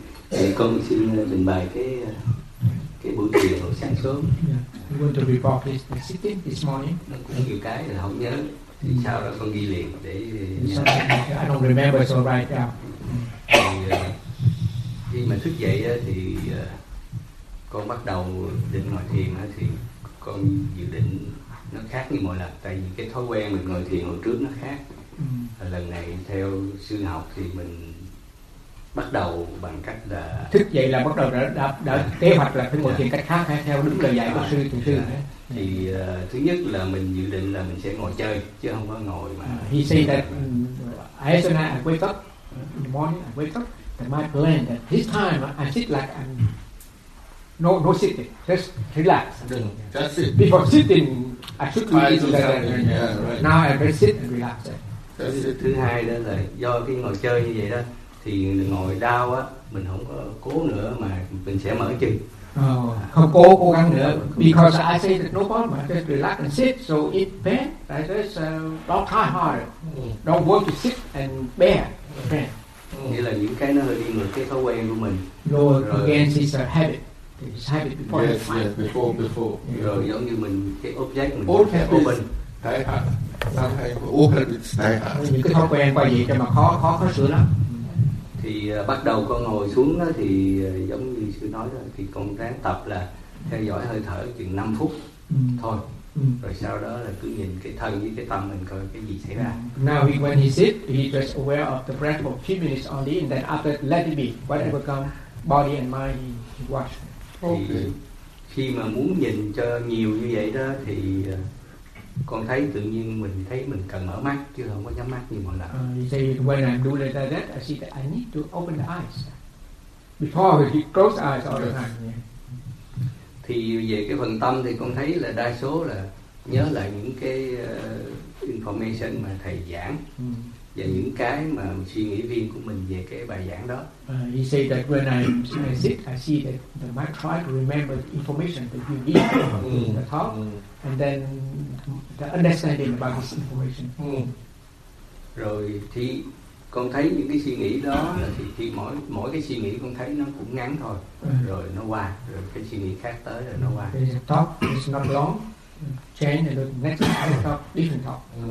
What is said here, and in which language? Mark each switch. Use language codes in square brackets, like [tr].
[vi] Thì con xin trình bày cái buổi chiều hồi sáng sớm. [en] I'm going to report this sitting this morning. [vi] Nhiều cái là không nhớ. Thì sao đó con ghi liền để. [en] I don't remember, so write down. [vi] Khi mà thức dậy thì con bắt đầu định ngồi thiền thì con dự định nó khác như mọi lần, tại vì cái thói quen mình ngồi thiền hồi trước nó khác. Lần này theo sư học thì mình bắt đầu bằng cách là thức dậy là bắt đầu đã kế hoạch là phải ngồi thiền cách khác hay theo đúng lời dạy của sư thì thứ nhất là mình dự định là mình sẽ ngồi chơi chứ không có ngồi mà [en] he said that as soon as I wake up in the morning I wake up that my plan that this time I sit like I'm no sitting, just relax. Just sit. Before sitting I should try to sit and right. Now I better sit and relax. [vi] Thứ hai đó là do cái ngồi chơi như vậy đó thì ngồi đau á mình không có cố nữa mà mình sẽ mở chân. Không cố gắng nữa. [en] Because I say that no problem, just relax and sit, so it bad. I just don't try hard. Don't work to sit and bear. Okay. [vi] Nghĩa là những cái nó hơi đi ngược cái thói quen của mình. [en] Rồi again, it's a habit. It's habit before. Yes, yes, before. Yeah. [vi] Rồi giống như mình cái object mình [en] all habits open. [vi] Thái hạt. Thái hạt. [en] All habits. [vi] Thái hạt. Những cái thói quen qua gì cho mà khó sửa lắm. Thì bắt đầu con ngồi xuống đó, thì giống như sư nói đó, thì con ráng tập là theo dõi hơi thở chừng 5 phút thôi. Rồi sau đó là cứ nhìn cái thân với cái tâm mình coi cái gì xảy ra. [en] Now when he sit, he just aware of the breath for a few minutes only, and then after let it be, whatever come, body and mind, he watch. Okay. [vi] Thì khi mà muốn nhìn cho nhiều như vậy đó, thì con thấy tự nhiên mình thấy mình cần mở mắt, chứ không có nhắm mắt như mọi lần. [en] When I do like that, I see that I need to open the eyes. Before I close the eyes all the time. [vi] Thì về cái phần tâm thì con thấy là đa số là nhớ lại những cái information mà thầy giảng và những cái mà suy nghĩ riêng của mình về cái bài giảng đó. [en] He said that when I sit, I see that the mind try to remember the information that you give the talk, and then the understanding about this information. [vi] Rồi thì con thấy những cái suy nghĩ đó là thì mỗi cái suy nghĩ con thấy nó cũng ngắn thôi, rồi nó qua, rồi cái suy nghĩ khác tới rồi nó qua. [en] The talk is not long, change and the next talk, different talk.